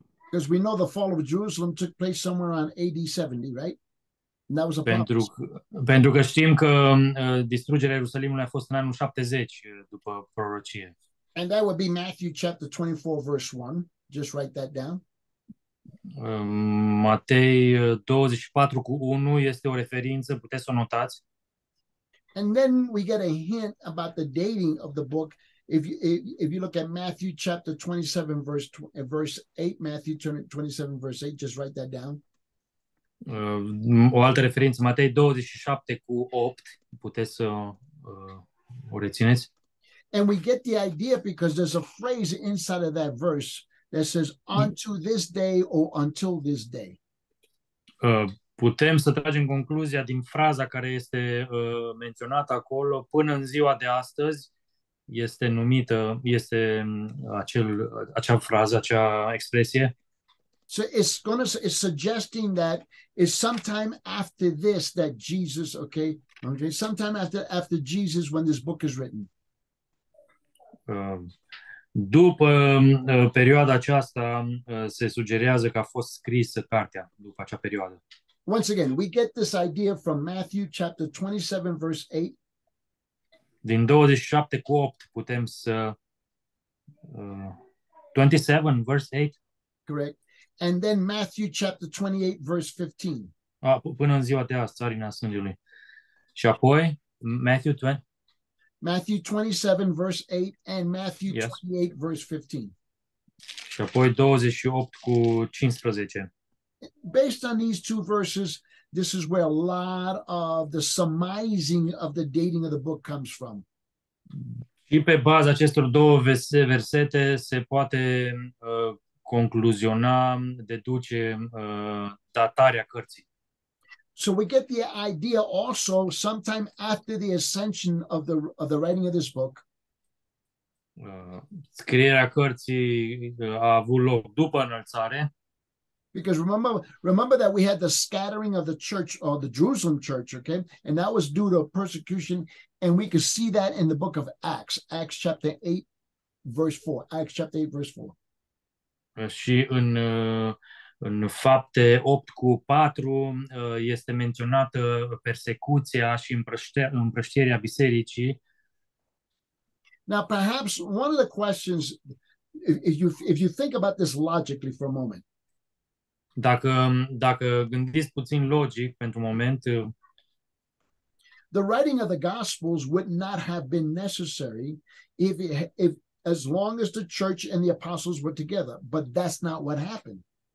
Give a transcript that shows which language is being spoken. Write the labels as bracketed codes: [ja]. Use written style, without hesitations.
[en] Because we know the fall of Jerusalem took place somewhere around AD 70, right? That was a [ro] pentru că știm că distrugerea Ierusalimului a fost în anul 70 după prorocie. [en] And that would be Matthew chapter 24 verse 1. Just write that down. [ro] Matei 24 cu 1 este o referință, puteți să o notați. [en] And then we get a hint about the dating of the book. If you look at Matthew chapter 27 verse 8, Matthew 27 verse 8, just write that down. [ro] O altă referință, Matei 27 cu 8, puteți să o rețineți? [en] And we get the idea because there's a phrase inside of that verse that says unto this day or until this day. [ro] Putem să tragem concluzia din fraza care este menționată acolo, până în ziua de astăzi, este numită, este acea frază, acea expresie. [en] So it's suggesting that it's sometime after this that Jesus, okay, sometime after Jesus when this book is written. [ro] După perioada aceasta se sugerează că a fost scrisă cartea după acea perioadă. [en] Once again, we get this idea from Matthew chapter 27, verse 8. [ro] Din 27 cu 8 putem să [en] 27 verse 8. Correct. And then Matthew chapter 28 verse 15. [ro] Până în ziua de azi, Țarina Sângelui. Și apoi Matthew 20. [en] Matthew 27 verse 8 and Matthew 28 verse 15. [ro] Și apoi 28 cu 15. [en] Based on these two verses, this is where a lot of the surmising of the dating of the book comes from. [ro] Și pe baza acestor două versete se poate concluziona, deduce datarea cărții. [en] So we get the idea also sometime after the ascension of the writing of this book. [ro] Scrierea cărții a avut loc după înălțare. [en] Because remember that we had the scattering of the church or the Jerusalem church, okay? And that was due to persecution, and we could see that in the book of Acts, Acts chapter 8, verse 4. Acts chapter 8, verse 4. [ro] Și în Fapte 8 cu 4 este menționată persecuția și împrăștierea bisericii. [en] Now perhaps one of the questions, if you think about this logically for a moment. [ro] Dacă gândiți puțin logic pentru moment, [en] the writing of the Gospels would not have been necessary if as long as the church and the apostles were together, but that's not what happened.